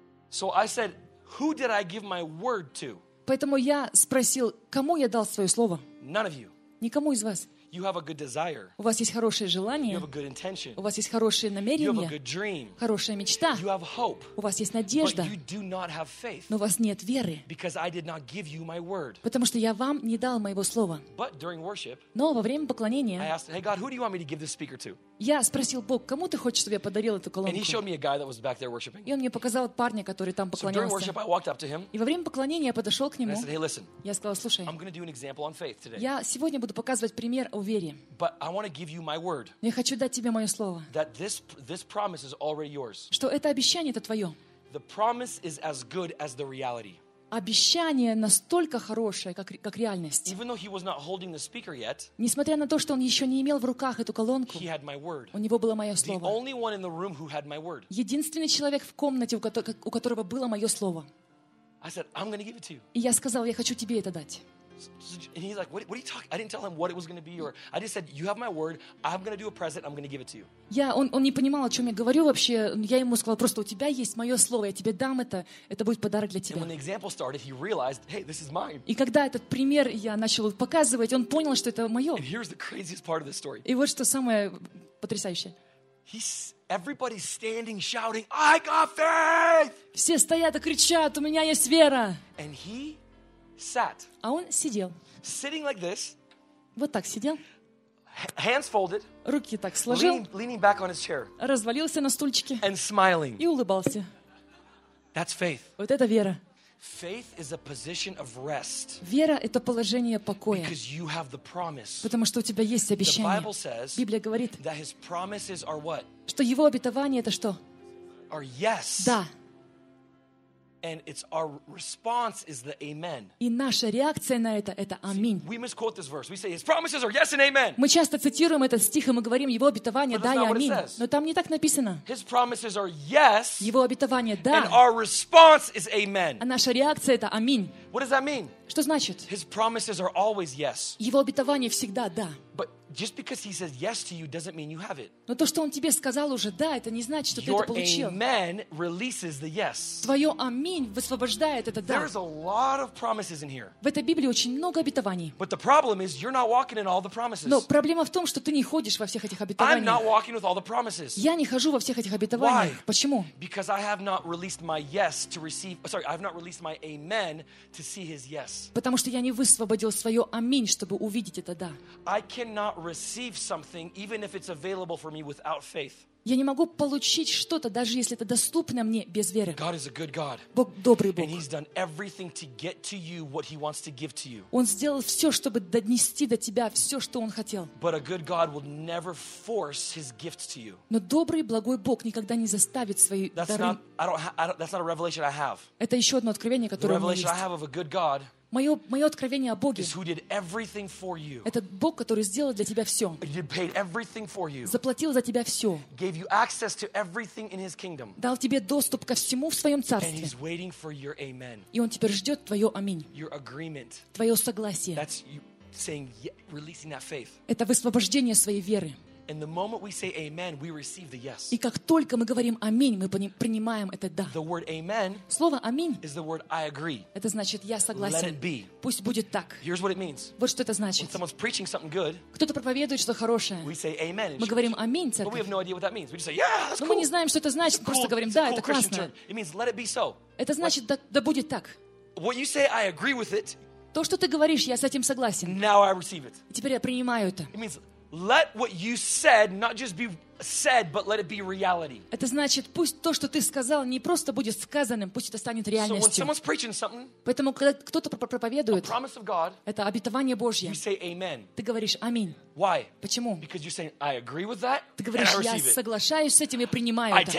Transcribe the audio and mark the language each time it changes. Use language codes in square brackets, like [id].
[en] So I said, who did I give my word to? [ru] Поэтому я спросил, кому я дал свое слово? [en] None of you. [ru] Никому из вас. [en] You have a good desire. [ru] У вас есть хорошее желание. [en] You have a good intention. [ru] У вас есть хорошее намерение. [en] You have a good dream. [ru] Хорошая мечта. [en] You have hope. [ru] У вас есть надежда. [en] But you do not have faith. [ru] Но у вас нет веры. [en] Because I did not give you my word. [ru] Потому что я вам не дал моего слова. [en] But during worship, [ru] но во время поклонения, [en] I asked, hey God, who do you want me to give this speaker to? [ru] Я спросил Бог, кому ты хочешь, чтобы я подарил эту колонку? [en] And he showed me a guy that was back there worshiping. [ru] И он мне показал парня, который там поклонялся. [en] So during worship, I walked up to him. [ru] И во время поклонения я подошел к нему. [en] And I said, hey, listen. [ru] Я сказал, слушай. [en] I'm going to do an example on faith today. [ru] Я сегодня буду показывать пример. [en] But I want to give you my word. [ru] Я хочу дать тебе мое слово. [en] That this promise is already yours. [ru] Что это обещание это твое. [en] The promise is as good as the reality. [ru] Обещание настолько хорошее, как реальность. [en] Even though he was not holding the speaker yet. [ru] Несмотря на то, что он еще не имел в руках эту колонку. [en] He had my word. [ru] У него было мое слово. [en] The only one in the room who had my word. [ru] Единственный человек в комнате, у которого было мое слово. [en] I said, I'm going to give it to you. [ru] И я сказал, я хочу тебе это дать. [en] And he's like, what are you talking? I didn't tell him what it was going to be, or I just said, you have my word. I'm going to do a present. I'm going to give it to you. [ru] Yeah, он не понимал, о чем я говорю вообще. Я ему сказала просто, у тебя есть мое слово, я тебе дам это. Это будет подарок для тебя. [en] And when the example started, he realized, hey, this is mine. [ru] И когда этот пример я начал показывать, он понял, что это мое. [en] And here's the craziest part of the story. [ru] И вот что самое потрясающее. [en] Everybody's standing, shouting, I got faith. [ru] Все стоят и кричат, у меня есть вера. [en] And he. Sat. [ru] А он сидел. [en] Sitting like this. [ru] Вот так сидел. [en] Hands folded. [ru] Руки так сложил. [en] Leaning back on his chair. [ru] Развалился на стульчике. [en] And smiling. [ru] И улыбался. [en] That's faith. [ru] Вот это вера. [en] Faith is a position of rest. [ru] Вера это положение покоя. [en] Because you have the promise. [ru] Потому что у тебя есть обещание. [en] The Bible says. [ru] Библия говорит. [en] That his promises are what? [ru] Что его обетование это что? [en] Are yes. [ru] Да. [en] And it's our response is the amen. [ru] И наша реакция на это аминь. [en] See, we misquote this verse. We say his promises are yes and amen. [ru] Мы часто цитируем этот стих и мы говорим его обетование да и аминь. Но там не так написано. [en] His promises are yes. [ru] Его обетование да. [en] And our response is amen. [ru] А наша реакция это аминь. [en] What does that mean? [ru] Что значит? [en] His promises are always yes. [ru] Его обетование всегда да. [en] But just because he says yes to you doesn't mean you have it. [ru] Но то, что он тебе сказал уже да, это не значит, что ты это получил. [en] Your amen releases the yes. [ru] Твое аминь высвобождает это да. [en] There's a lot of promises in here. [ru] В этой Библии очень много обетований. [en] But the problem is you're not walking in all the promises. [ru] Но проблема в том, что ты не ходишь во всех этих обетованиях. [en] I'm not walking with all the promises. [ru] Я не хожу во всех этих обетованиях. [en] Why? [ru] Почему? [en] Because I have not released my yes to receive. Sorry, I have not released my amen to see his yes. [ru] Потому что я не высвободил свое аминь, чтобы увидеть это да. [en] I cannot receive something, even if it's available for me without faith. [ru] Я не могу получить что-то, даже если это доступно мне без веры. [en] God is a good God. [ru] Бог добрый Бог. [en] And he's done everything to get to you what he wants to give to you. [ru] Он сделал все, чтобы донести до тебя все, что он хотел. [en] But a good God will never force his gifts to you. [ru] Но добрый благой Бог никогда не заставит свои дары. [en] That's not a revelation I have. [ru] Это еще одно откровение, которое у меня есть. [en] The revelation I have of a good God. [ru] Мое откровение о Боге. [en] Is who did everything for you. [ru] Это Бог, который сделал для тебя все. [en] He paid everything for you. [ru] Заплатил за тебя все. [en] Gave you access to everything in his kingdom. [ru] Дал тебе доступ ко всему в своем царстве. [en] And he's waiting for your amen. [ru] И он теперь ждет твое аминь. [en] Your agreement. [ru] Твое согласие. [en] That's you saying, releasing that faith. [ru] Это высвобождение своей веры. [en] And the moment we say amen, we receive the yes. [ru] И как только мы говорим аминь, мы принимаем это да. [en] The word amen. [ru] Слово аминь. [en] Is the word I agree. [ru] Это значит я согласен. [en] Let it be. [ru] Пусть будет так. [en] Here's what it means. [ru] Вот что это значит. [en] When someone's preaching something good. [ru] Кто-то проповедует что-то хорошее. [en] We say amen. [ru] Мы говорим аминь, церковь. [en] But we have no idea what that means. We just say yeah, that's cool. [ru] Но мы не знаем, что это значит. Просто [en] cool. [ru] говорим [en] it's [ru] да, [en] cool [ru] это классно. [en] It means let it be so. [ru] Это значит да будет так. [en] What you say, I agree with it. [ru] То, что ты говоришь, я с этим согласен. [en] Now I receive it. [ru] Теперь я принимаю это. [en] It means let what you said not just be said, but let it be reality. [ru] Это значит, пусть то, что ты сказал, не просто будет сказанным, пусть это станет реальностью. [en] So when someone's preaching something, [ru] поэтому когда кто-то проповедует, [en] a promise of God, [ru] это обетование Божье. [en] You say amen. [ru] Ты говоришь аминь. [en] Why? [ru] Почему? [en] Because you're saying I agree with that. [ru] Ты говоришь, я соглашаюсь с этим и принимаю это.